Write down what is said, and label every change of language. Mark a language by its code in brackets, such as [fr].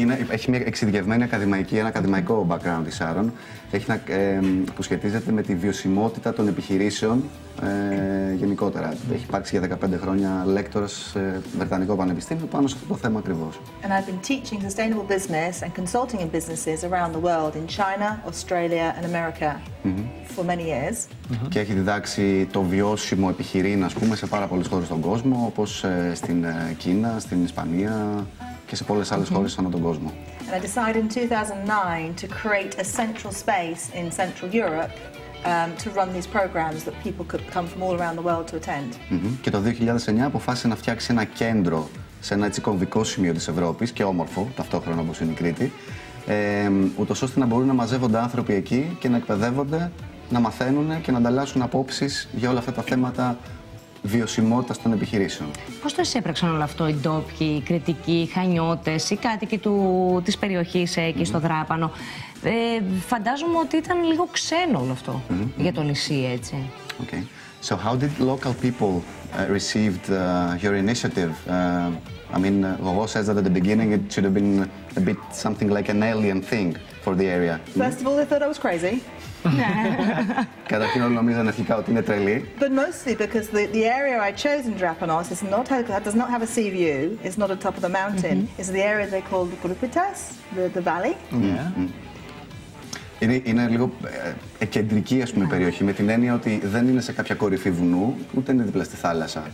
[el] Έχει μια εξειδικευμένη ακαδημαϊκή, ένα ακαδημαϊκό background της Σάρων που σχετίζεται με τη βιωσιμότητα των επιχειρήσεων γενικότερα. Έχει υπάρξει για 15 χρόνια lecturer σε Βρετανικό Πανεπιστήμιο πάνω σε αυτό το θέμα ακριβώς. [en] And I've been teaching sustainable business and consulting in businesses around the world in China, Australia and America for many years. [el] Και έχει διδάξει το βιώσιμο επιχειρήν, ας πούμε, σε πάρα πολλές χώρες στον κόσμο, όπως στην Κίνα, στην Ισπανία και σε πολλές άλλες χώρες ανά τον κόσμο. [en] And I decided in 2009 to create a central space in Central Europe to run these programs that people could come from all around the world to attend. [el] Και το 2009 αποφάσισε να φτιάξει ένα κέντρο σε ένα έτσι κομβικό σημείο της Ευρώπης και όμορφο, ταυτόχρονα όπως είναι η Κρήτη, ούτως ώστε να μπορούν να μαζεύονται άνθρωποι εκεί και να εκπαιδεύονται, να μαθαίνουν και να ανταλλάσσουν απόψεις για όλα αυτά τα θέματα βιωσιμότητας των επιχειρήσεων. Πώς το εισέπραξαν όλο αυτό οι ντόπιοι, οι κρητικοί, οι χανιώτες, οι κάτοικοι της περιοχής εκεί στο Δράπανο? Φαντάζομαι ότι ήταν λίγο ξένο όλο αυτό για το νησί, έτσι. [en] Okay. So how did local people received your initiative? I mean, Gogo says that at the beginning it should have been a bit something like an alien thing for the area. First of all, they thought I was crazy. [el] Καταρχήν όλοι νομίζανε αρχικά ότι είναι τρελή. [en] But mostly because the area I chose in Drapanos is not does not have a sea view. It's not on top of the mountain. It's the area they call the Grupitas, the valley. [el] Είναι λίγο εκκεντρική, ας πούμε, περιοχή, με την έννοια ότι δεν είναι σε κάποια κορυφή βουνού, ούτε είναι δίπλα στη θάλασσα.